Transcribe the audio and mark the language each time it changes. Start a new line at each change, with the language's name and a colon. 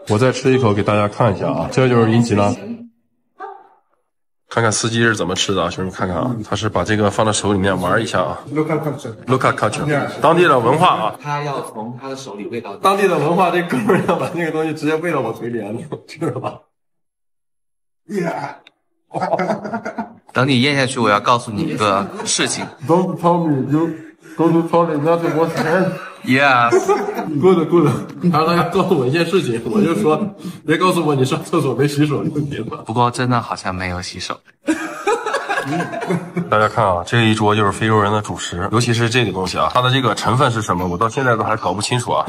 Chinese: 我再吃一口给大家看一下啊，这就是英吉拉。看看司机是怎么吃的啊，兄弟们看看啊，他是把这个放在手里面玩一下啊。
English: Look at culture. Look at culture.
Chinese: 当地的文化啊。他要从他的手里喂到。当地的文化，这哥们要把那个东西直接喂到我嘴里啊，你知道吧？
English: Yeah.
Chinese: 等你咽下去，我要告诉你一个事情。
English: Don't tell me, you don't tell me nothing was said. Yes. Good, good.
Chinese: 他说要告诉我一件事情，我就说别告诉我你上厕所没洗手就行了。不过真的好像没有洗手。大家看啊，这一桌就是非洲人的主食，尤其是这个东西啊，它的这个成分是什么我到现在都还搞不清楚啊。